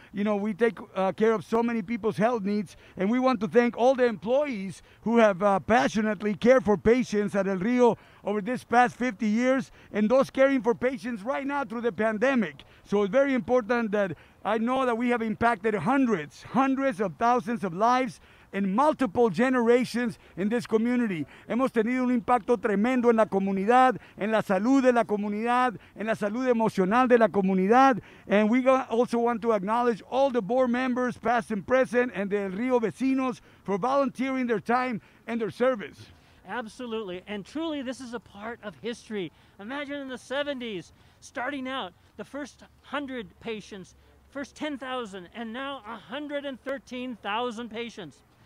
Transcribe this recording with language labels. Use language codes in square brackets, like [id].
[en] You know, we take care of so many people's health needs, and we want to thank all the employees who have passionately cared for patients at El Rio over this past 50 years, and those caring for patients right now through the pandemic. So it's very important that I know that we have impacted hundreds of thousands of lives in multiple generations in this community. [es] Hemos tenido un impacto tremendo en la comunidad, en la salud de la comunidad, en la salud emocional de la comunidad. [en] And we also want to acknowledge all the board members, past and present, and the El Rio vecinos for volunteering their time and their service. Absolutely, and truly this is a part of history. Imagine in the 70s, starting out, the first 100 patients, first 10,000, and now 113,000 patients.